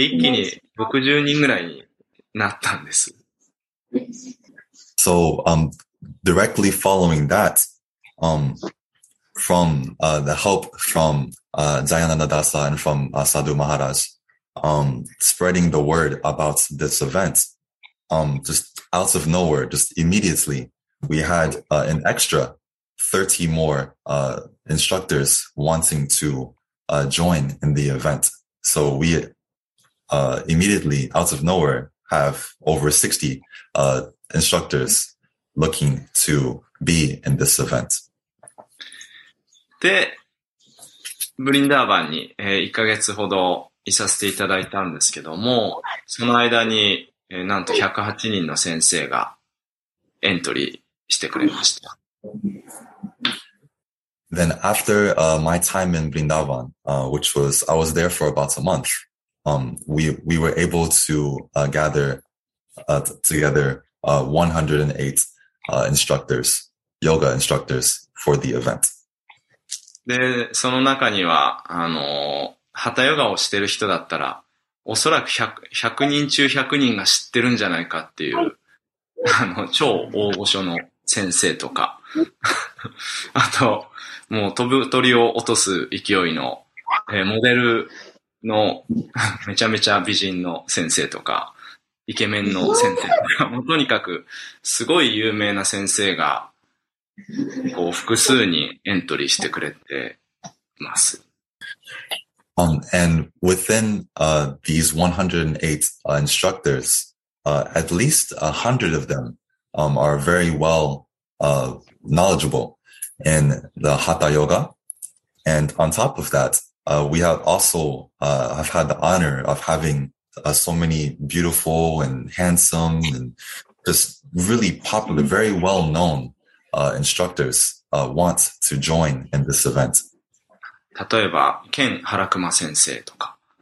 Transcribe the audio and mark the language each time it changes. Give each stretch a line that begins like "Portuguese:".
Japanese: 先にグルデーブと佐渡マハラジに報告させていただいて、そんなことをやってみようと思うんですってことで動かし始めたんですけれども、で、ブリンダーバンに行ったら驚くべきで、最初の何日かでまたプラス30人ぐらいの先生からレスが来て、で、一気に60人ぐらいになったんです。
English: So, directly following that, from the help from Jayananda Dasa and from Sadhu Maharaj, spreading the word about this event, just out of nowhere, just immediately, we had an extra 30 more instructors wanting to join in the event. So we immediately, out of nowhere, have over 60 instructors looking to be in this event.
Japanese: で、ブリンダーバンに、1ヶ月ほどいさせていただいたんですけども、その間に、なんと108人の先生がエントリーしてくれました。
English: Then after my time in Vrindavan, which was, I was there for about a month, we were able to gather together 108 instructors, yoga instructors for the event.
Japanese: で、その中には、ハタヨガをしてる人だったら、おそらく100人中100人が知ってるんじゃないかっていう、超大御所の先生とか、あと、もう飛ぶ鳥を落とす勢いの、モデルのめちゃめちゃ美人の先生とか、イケメンの先生とか、とにかくすごい有名な先生が、こう複数にエントリーしてくれてます。
English: And within these 108 instructors, at least 100 of them are very well knowledgeable in the Hatha Yoga. And on top of that, we have also have had the honor of having so many beautiful and handsome and just really popular, very well known instructors want to join in this event.
Japanese: 例えば、ケン・ハラクマ先生とか。